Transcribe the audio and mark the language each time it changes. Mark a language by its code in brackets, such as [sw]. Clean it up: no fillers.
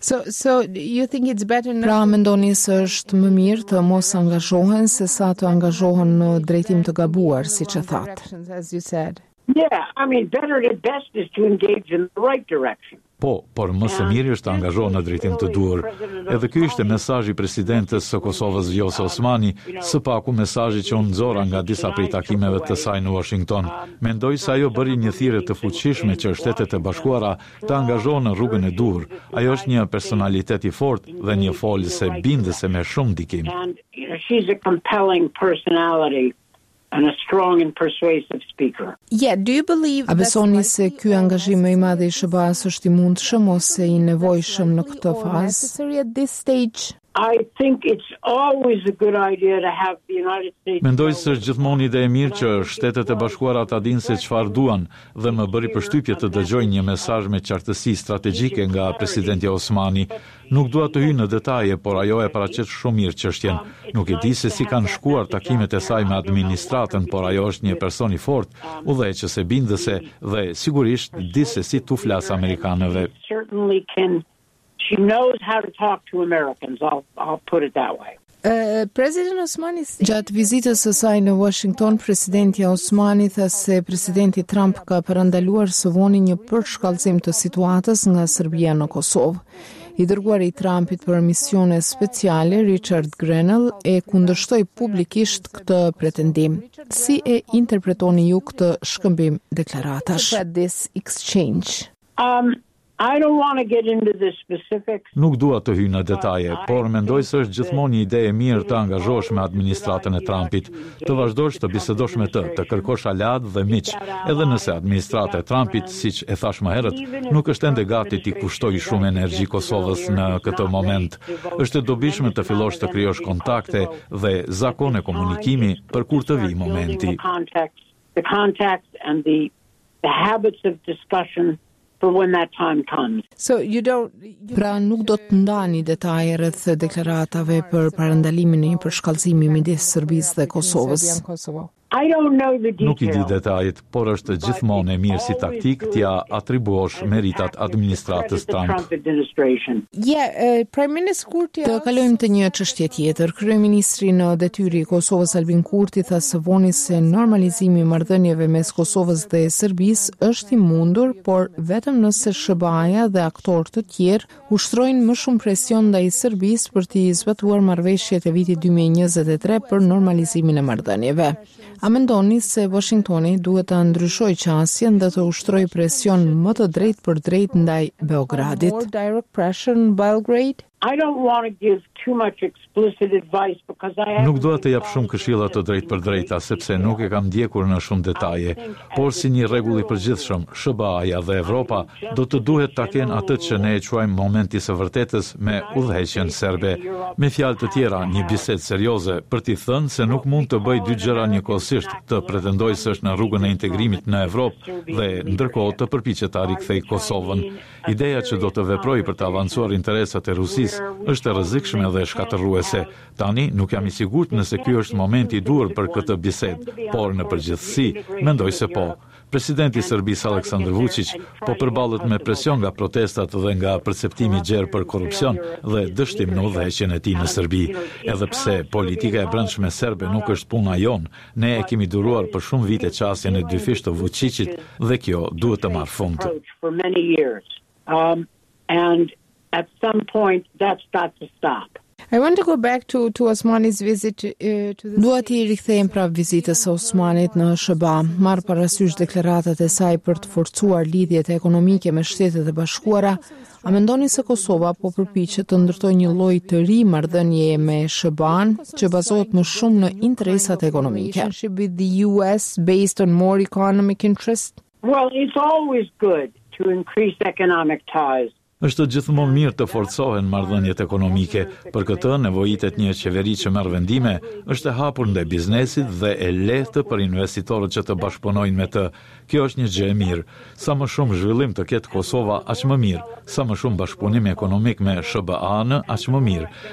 [en] So you think it's better [sq] pra mendoni se është më mirë të mos angazhohen se sa të angazhohen në drejtim të gabuar, siç e thatë? [en] Better at best is to engage in the right direction. [sq] Po, por më së miri është të angazhohen në drejtim të duhur. Edhe ky ishte mesazhi i presidentes së Kosovës Vjosë Osmani, së paku mesazhi që u nxorra nga disa prej takimeve të saj në Washington. Mendoj se ajo bëri një thirrje të fuqishme që Shtetet e Bashkuara të angazhohen në rrugën e duhur. Ajo është një personalitet i fortë dhe një folëse bindëse me shumë ndikim. [en] She's a compelling personality and a strong and persuasive speaker. Yeah, do you believe [sq] that besoni se ky angazhim më i madh i SBA-s është i mundshëm ose i nevojshëm në këtë fazë? [en] I think it's always a good idea to have the United States. [sq] Mendoj se është gjithmonë ide e mirë që Shtetet e Bashkuara ta dinë se çfarë duan, dhe më bëri përshtypje të dëgjoj një mesazh me qartësi strategjike nga presidenti Osmani. Nuk dua të hyj në detaje, por ajo e paraqet shumë mirë çështjen. Nuk e di se si kanë shkuar takimet e saj me administratën, por ajo është një person i fortë, udhëheqëse bindëse dhe sigurisht di se si tu flas amerikanëve. [en] She knows how to talk to Americans, I'll put it that way. President Osmani, [sq] gjatë vizitës së saj në Washington, presidenti Osmani tha se presidenti Trump ka parandaluar së voni një përshkallëzim të situatës nga Serbia në Kosovë. I dërguari i Trumpit për misione speciale Richard Grenell e kundërshtoi publikisht këtë pretendim. Si e interpretoni ju këtë shkëmbim deklaratash? [en] This exchange. I don't want to get into the specifics. [sq] Nuk dua të hyj në detaje, por mendoj se është gjithmonë një ide e mirë të angazhosh me administratën e Trumpit, të vazhdosh të bisedosh me të kërkosh aliat dhe miq, edhe nëse administrata e Trumpit, siç e thash më herët, nuk është ende gati t'i kushtojë shumë energji Kosovës në këtë moment. Është e dobishme të fillosh të krijosh kontakte dhe zakone komunikimi për kur të vijë momenti. [en] The contacts and the habits of discussion when that time comes. So you don't [sq] pra nuk do të ndani detaje rreth deklaratave për parandalimin e një përshkallëzimi midis Serbisë dhe Kosovës. [en] I don't know the details. [sq] Nuk i di detajet, por është gjithmonë e mirë si taktik t'ia atribuosh meritat administratës Trump. Të kalojmë të një çështje tjetër. Kryeministri në detyrë i Kosovës Albin Kurti tha së voni se normalizimi i marrëdhënieve mes Kosovës dhe Serbisë është i mundur, por vetëm nëse SBA-ja dhe aktorë të tjerë ushtrojnë më shumë presion ndaj Serbisë për të zbatuar marrëveshjet e vitit 2023 për normalizimin e marrëdhënieve. A mendoni se Washingtoni duhet të ndryshojë qasjen dhe të ushtrojë presion më të drejtë për drejtë ndaj Beogradit? [en] I don't want to give too much explicit advice because I [sq] nuk dua të jap shumë këshilla të drejtë për drejta sepse nuk e kam ndjekur në shumë detaje, por si një rregull i përgjithshëm, SBA-ja dhe Evropa do të duhet ta kenë atë që ne e quajmë momenti së vërtetës me udhëheqjen serbe. Me fjalë të tjera, një bisedë serioze për t'i thënë se nuk mund të bëj dy gjëra njëkohësisht, të pretendoj se është në rrugën e integrimit në Evropë dhe ndërkohë të përpiqet ta rikthej Kosovën. Ideja që do të veproj për të avancuar interesat e Rusisë është e rrezikshme dhe shkatërruese. Tani nuk jam i sigurt nëse ky është momenti i duhur për këtë bisedë, por në përgjithësi mendoj se po. Presidenti i Serbisë Aleksandar Vučić po përballet me presion nga protestat dhe nga perceptimi i gjerë për korrupsion dhe dështim në udhëheqjen e tij në Serbi. Edhe pse politika e brendshme serbe nuk është puna jonë, ne e kemi duruar për shumë vite çasjen e dyfish të Vučićit dhe kjo duhet të marrë fund. [en] At some point, that's got to stop. I want to go back to Osmani's visit to the. [sq] Dua t'i rikthejmë prap vizitës së Osmanit në SBA. Marr parasysh deklaratat e saj për të forcuar lidhjet ekonomike me Shtetet e Bashkuara, a mendoni se Kosova po përpiqet të ndërtojë një lloj të ri marrëdhënie me SBA-n që bazohet më shumë në interesat ekonomike? [en] With the US based on more economic interest? Well, it's always good to increase economic ties. [sq] Është gjithmonë mirë të forcohen marrëdhëniet ekonomike. Për këtë nevojitet një qeveri që merr vendime, është e hapur ndaj biznesit dhe e lehtë për investitorët që të bashkëpunojnë me të. Kjo është një gjë e mirë. Sa më shumë zhvillim të ketë Kosova, aq më mirë. Sa më shumë bashkëpunim ekonomik me SBA-n, aq më mirë.